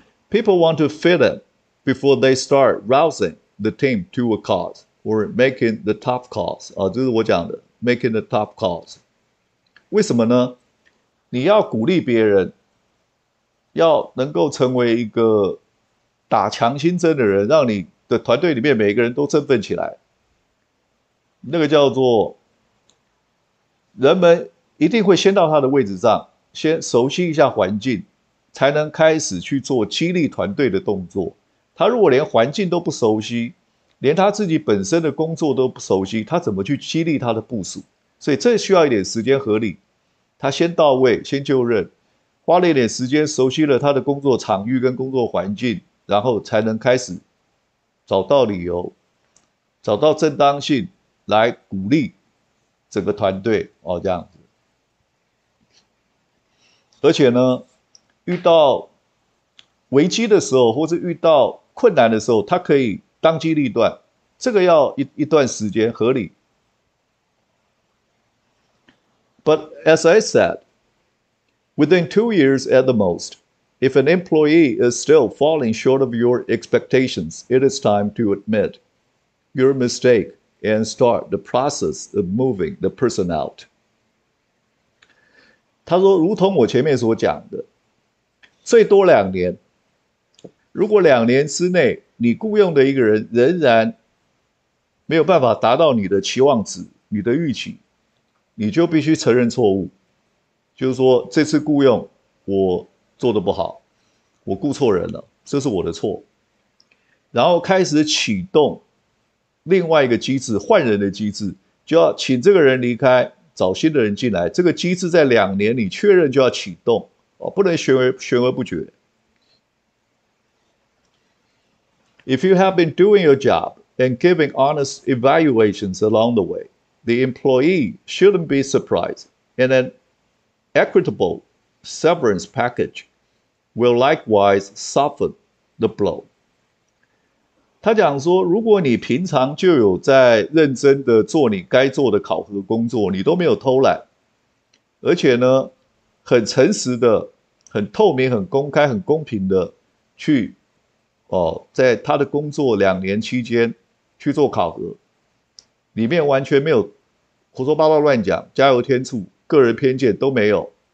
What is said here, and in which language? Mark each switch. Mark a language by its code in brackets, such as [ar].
[en] People want to fit in before they start rousing the team to a cause or making the tough calls [zh] 啊，就是我讲的 [en] making the tough calls。 [zh] 为什么呢？你要鼓励别人，要能够成为一个打强心针的人，让你的团队里面每一个人都振奋起来。那个叫做，人们一定会先到他的位置上，先熟悉一下环境，才能开始去做激励团队的动作。他如果连环境都不熟悉，连他自己本身的工作都不熟悉，他怎么去激励他的部署？所以这需要一点时间合理。他先到位，先就任，花了一点时间熟悉了他的工作场域跟工作环境，然后才能开始找到理由，找到正当性。来鼓励整个团队哦，这样子。而且呢，遇到危机的时候，或是遇到困难的时候，他可以当机立断，这个要一段时间合理。 [en] But as I said, within 2 years at the most, if an employee is still falling short of your expectations, it is time to admit your mistake. And start the process of moving the person out。 [zh] 他说，如同我前面所讲的，最多2年。如果2年之内你雇佣的一个人仍然没有办法达到你的期望值、你的预期，你就必须承认错误，就是说这次雇佣我做得不好，我雇错人了，这是我的错。然后开始启动。另外一个机制，换人的机制，就要请这个人离开，找新的人进来。这个机制在2年里确认就要启动，哦，不能悬而不决。 [en] If you have been doing your job and giving honest evaluations along the way, the employee shouldn't be surprised, and an equitable severance package will likewise soften the blow. [zh] 他讲说，如果你平常就有在认真的做你该做的考核工作，你都没有偷懒，而且呢，很诚实的、很透明、很公开、很公平的去，哦，在他的工作2年期间去做考核，里面完全没有胡说八道、乱讲、加油添醋、个人偏见都没有。